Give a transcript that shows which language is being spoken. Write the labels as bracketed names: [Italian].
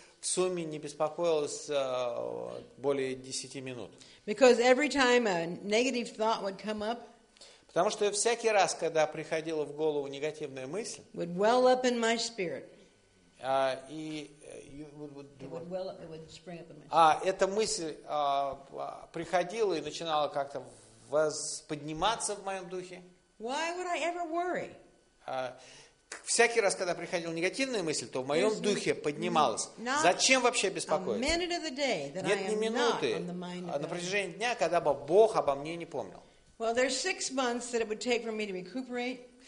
[Russian] в сумме не беспокоилось более 10 минут. [English] Because every time a negative thought would come up, [Russian] потому что всякий раз, когда приходила в голову негативная мысль, [English] would well up in my spirit. [Russian] Эта мысль приходила и начинала как-то подниматься в моем духе. [English] Why would I ever worry? [Russian] Всякий раз, когда приходила негативная мысль, то в моем духе поднималась. Зачем вообще беспокоиться? Нет ни минуты на протяжении дня, когда бы Бог обо мне не помнил. [English] Well, there's 6 months that it would take for me to recuperate.